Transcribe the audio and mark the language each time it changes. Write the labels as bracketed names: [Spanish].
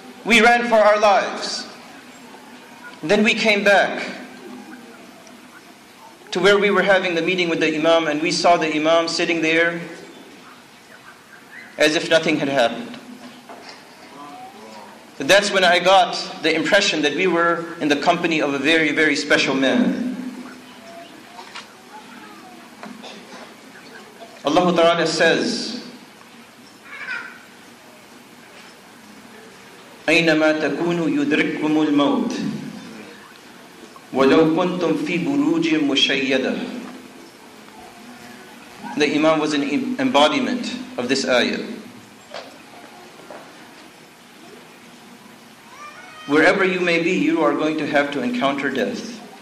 [English] We ran for our lives. Then we came back to where we were having the meeting with the imam, and we saw the imam sitting there as if nothing had happened. But that's when I got the impression that we were in the company of a very, very special man. Allah Ta'ala says, [Arabic] أينما تكونوا يدرككم الموت ولو كنتم في بروج مشيدة. [English] The imam was an embodiment of this ayah. Wherever you may be, you are going to have to encounter death.